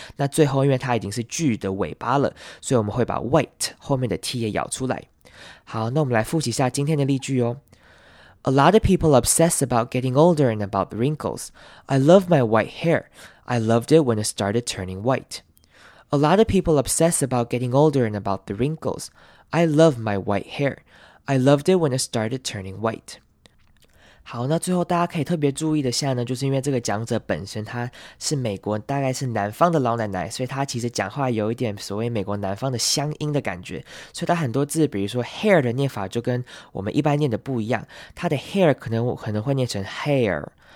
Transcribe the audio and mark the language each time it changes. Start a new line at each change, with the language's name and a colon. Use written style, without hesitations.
Chinese: 那最后因为它已经是句的尾巴了，所以我们会把 white 后面的 T 也咬出来。好，那我们来复习一下今天的例句哦。
English: A lot of people obsess about getting older and about the wrinkles. I love my white hair. I loved it when it started turning white. A lot of people obsess about getting older and about the wrinkles. I love my white hair. I loved it when it started turning white.
Chinese: 好，那最后大家可以特别注意的下呢，就是因为这个讲者本身他是美国，大概是南方的老奶奶，所以他其实讲话有一点所谓美国南方的乡音的感觉，所以他很多字，比如说 hair 的念法就跟我们一般念的不一样，他的 hair 可能会念成 hair。